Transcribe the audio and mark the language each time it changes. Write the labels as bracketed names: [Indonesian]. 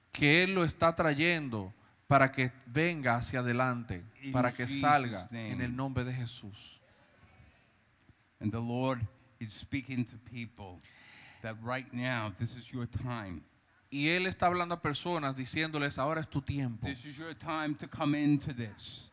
[Spanish] Que Él lo está trayendo para que venga hacia adelante, [English] in [Spanish] para que [English] Jesus [Spanish] salga [English] name. [Spanish] En el nombre de Jesús. [English] And the Lord is speaking to people that right now this is your time. [Spanish] Y él está hablando a personas diciéndoles ahora es tu tiempo. [English] This is your time to come into this.